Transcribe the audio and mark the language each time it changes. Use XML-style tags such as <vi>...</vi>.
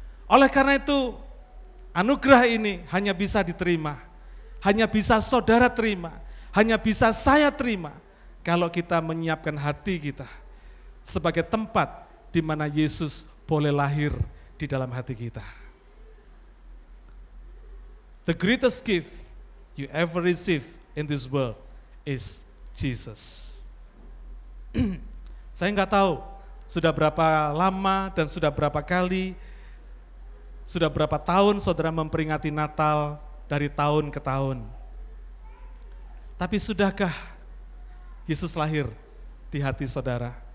<id>Oleh karena itu, anugerah ini hanya bisa diterima, hanya bisa saudara terima, hanya bisa saya terima kalau kita menyiapkan hati kita sebagai tempat di mana Yesus boleh lahir di dalam hati kita.</id> <en>The greatest gift you ever receive in this world is Jesus.</en> <id>Saya enggak tahu sudah berapa lama dan sudah berapa kali, sudah berapa tahun saudara memperingati Natal dari tahun ke tahun. Tapi sudahkah Yesus lahir di hati saudara?</id>